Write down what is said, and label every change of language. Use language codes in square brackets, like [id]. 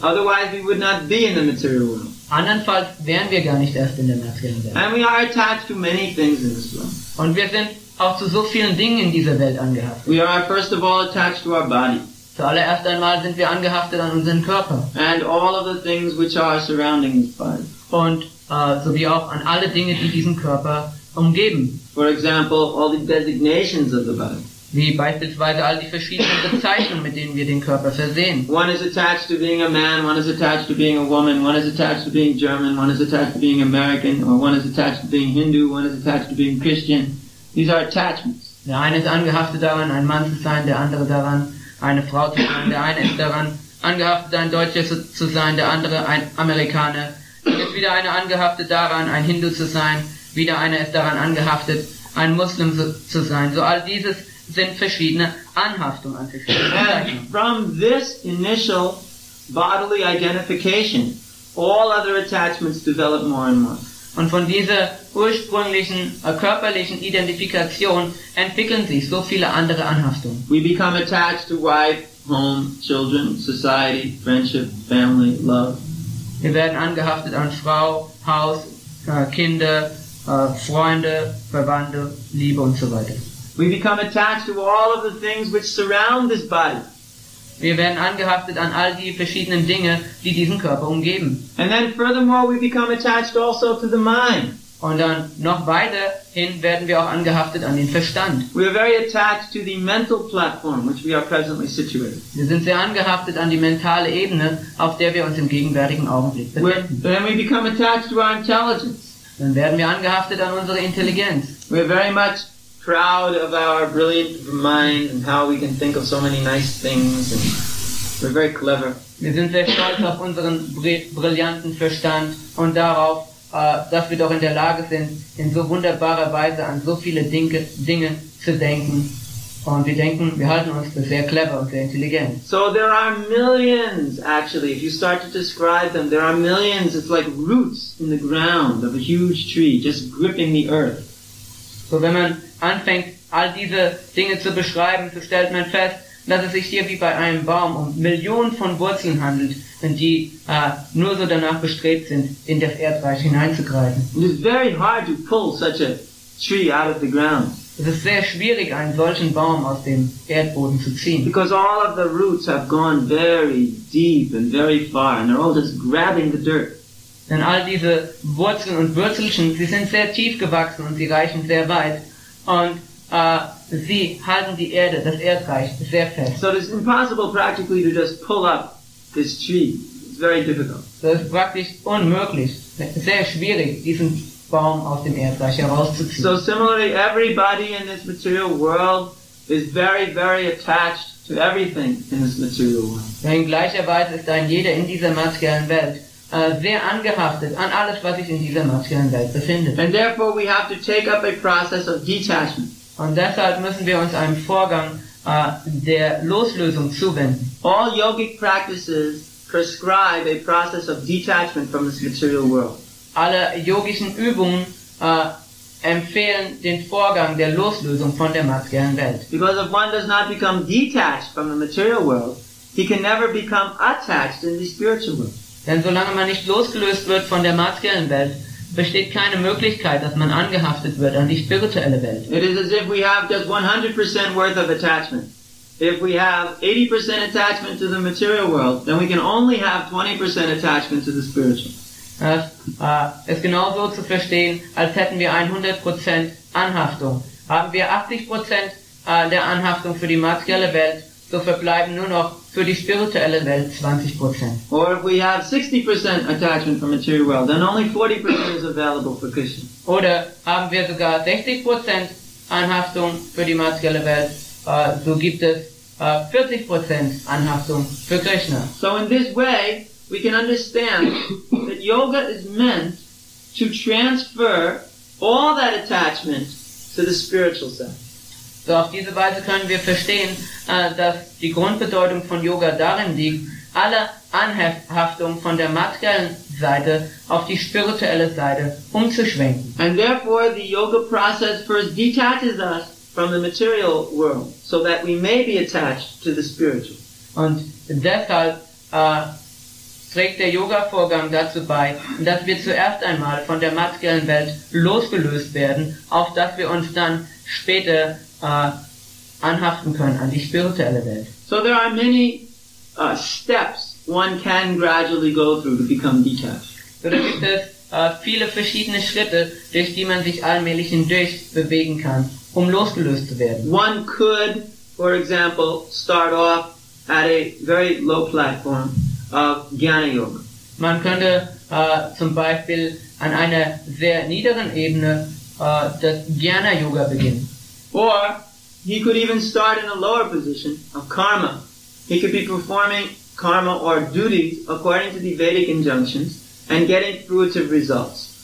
[en] Otherwise we would not be in the material world. [de] Andernfalls wären wir gar nicht erst in der materiellen Welt. [en] And we are attached to many things in this world. [de] Und wir sind auch zu so vielen Dingen in dieser Welt angehaftet. [en] We are first of all attached to our body. [de] Zuallererst einmal sind wir angehaftet an unseren Körper. [en] And all of the things which are surrounding this body. [de] Und sowie auch an alle Dinge, die diesen Körper umgeben. [en] For example, all the designations of the body. [de] Wie beispielsweise all die verschiedenen Bezeichnungen, mit denen wir den Körper versehen. [en] One is attached to being a man, one is attached to being a woman, one is attached to being German, one is attached to being American, or one is attached to being Hindu, one is attached to being Christian. These are attachments. [de] Der eine ist angehaftet daran, ein Mann zu sein, der andere daran, eine Frau zu sein, der eine ist daran, angehaftet ein Deutscher zu sein, der andere ein Amerikaner. Es ist wieder eine angehaftet daran, ein Hindu zu sein, wieder eine ist daran angehaftet, ein Muslim zu sein. So all dieses sind verschiedene Anhaftungen an verschiedene. [en] From this initial bodily identification, all other attachments develop more and more. [de] Und von dieser ursprünglichen körperlichen Identifikation entwickeln sich so viele andere Anhaftungen. [en] We become attached to wife, home, children, society, friendship, family, love. [de] Wir werden angehaftet an Frau, Haus, Kinder, Freunde, Verwandte, Liebe und so weiter. [en] We become attached to all of the things which surround this body. [de] Wir werden angehaftet an all die verschiedenen Dinge, die diesen Körper umgeben. [en] And then furthermore we become attached also to the mind. [de] Und dann noch weiterhin werden wir auch angehaftet an den Verstand. [en] We are very attached to the mental platform which we are presently situated. [de] Wir sind sehr angehaftet an die mentale Ebene, auf der wir uns im gegenwärtigen Augenblick befinden. [en] Then we become attached to our intelligence. [de] Dann werden wir angehaftet an unsere Intelligenz. [en] We are very much proud of our brilliant mind and how we can think of so many nice things, and we're very clever. [de] Wir sind sehr stolz auf unseren brillanten Verstand und darauf, dass wir doch in der Lage sind, in so wunderbarer Weise an so viele Dinge zu denken. Und wir denken, wir halten uns für sehr clever und sehr intelligent. [en] So there are millions, actually, if you start to describe them, there are millions, it's like roots in the ground of a huge tree, just gripping the earth. [de] So wenn man anfängt, all diese Dinge zu beschreiben, so stellt man fest, dass es sich hier wie bei einem Baum um Millionen von Wurzeln handelt, die nur so danach bestrebt sind, in das Erdreich hineinzugreifen. [en] It is very hard to pull such a tree out of the ground. [de] Es ist sehr schwierig, einen solchen Baum aus dem Erdboden zu ziehen. [en] Because all of the roots have gone very deep and very far, and they're all just grabbing the dirt. [de] Denn all diese Wurzeln und Wurzelchen, sie sind sehr tief gewachsen und sie reichen sehr weit. Und sie halten die Erde, das Erdreich, sehr fest. [en] So it's impossible practically to just pull up this tree. It's very difficult. [de] So es ist praktisch unmöglich, sehr schwierig, diesen Baum aus dem Erdreich herauszuziehen. [en] So similarly, everybody in this material world is very, very attached to everything in this material world. [de] In gleicher Weise ist dann jeder in dieser materiellen Welt sehr angehaftet an alles, was sich in dieser materiellen Welt befindet. [en] And therefore we have to take up a process of detachment. [de] Und deshalb müssen wir uns einem Vorgang der Loslösung zuwenden. [en] All yogic practices prescribe a process of detachment from this material world. [de] Alle yogischen Übungen empfehlen den Vorgang der Loslösung von der materiellen Welt. [en] Because if one does not become detached from the material world, he can never become attached in the spiritual world. [de] Denn solange man nicht losgelöst wird von der materiellen Welt, besteht keine Möglichkeit, dass man angehaftet wird an die spirituelle Welt. [en] It is as if we have just 100% worth of attachment. If we have 80% attachment to the material world, then we can only have 20% attachment to the spiritual. [de] Das ist genau so zu verstehen, als hätten wir 100% Anhaftung. Haben wir 80% der Anhaftung für die materielle Welt, so verbleiben nur noch für die spirituelle Welt 20%. [en] Or if we have 60% attachment for material world, then only 40% is available for Krishna. [de] Oder haben wir sogar 60% Anhaftung für die materielle Welt, so gibt es 40% Anhaftung für Krishna. [en] So in this way, we can understand that yoga is meant to transfer all that attachment to the spiritual self. [de] So auf diese Weise können wir verstehen, dass die Grundbedeutung von Yoga darin liegt, alle Anhaftung von der materiellen Seite auf die spirituelle Seite umzuschwenken. [en] And therefore the yoga process first detaches us from the material world, so that we may be attached to the spiritual. [de] Und deshalb trägt der Yoga-Vorgang dazu bei, dass wir zuerst einmal von der materiellen Welt losgelöst werden, auf dass wir uns dann später anhaften können an die spirituelle Welt. [en] So there are many steps one can gradually go through to become detached. [de] Da gibt es viele verschiedene Schritte, durch die man sich allmählich hindurch bewegen kann, um losgelöst zu werden. [en] One could, for example, start off at a very low platform of Jnana Yoga. [de] Man könnte zum Beispiel an einer sehr niedrigen Ebene das Jnana Yoga beginnen. [en] Or he could even start in a lower position of karma. He could be performing karma or duties according to the Vedic injunctions and getting fruitive results.